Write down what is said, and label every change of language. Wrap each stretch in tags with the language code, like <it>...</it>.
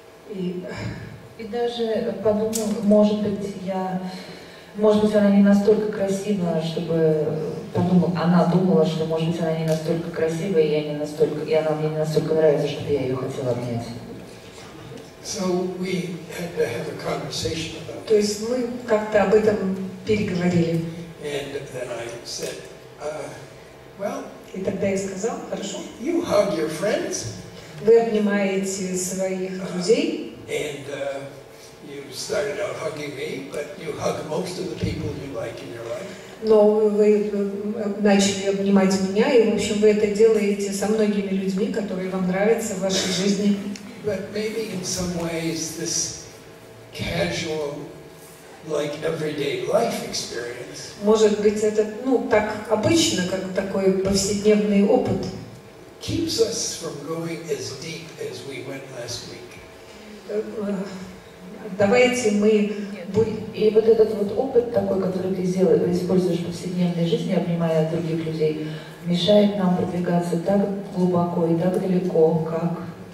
<ru>И даже подумал, может быть, я, может быть, она не настолько красива, чтобы. Она думала, что, может быть, она не настолько красивая, и я не настолько, и она мне не настолько нравится, чтобы я ее хотела обнять.</ru> <en>So we had to have a conversation about that.</en> <ru>То есть мы как-то об этом переговорили.</ru> <en>And then I said, well.</en> <ru>И тогда я сказал, хорошо.</ru> <en>You hug your friends.</en> <ru>Вы обнимаете своих друзей.</ru> <en>And you started out hugging me, but you hug most of the people you like in your life.</en> <ru>Но вы начали обнимать меня, и, в общем, вы это делаете со многими людьми, которые вам нравятся в вашей жизни.</ru> <en>But maybe in some ways this casual, like everyday life experience.</en> <ru>Может быть, это, ну, так обычно, как такой повседневный опыт.</ru> <en>Keeps us from going as deep as we went last week.</en> <ru>Давайте мы. И вот этот вот опыт такой, который ты используешь в повседневной жизни, обнимая других людей, мешает нам продвигаться так глубоко и так далеко, как.</ru>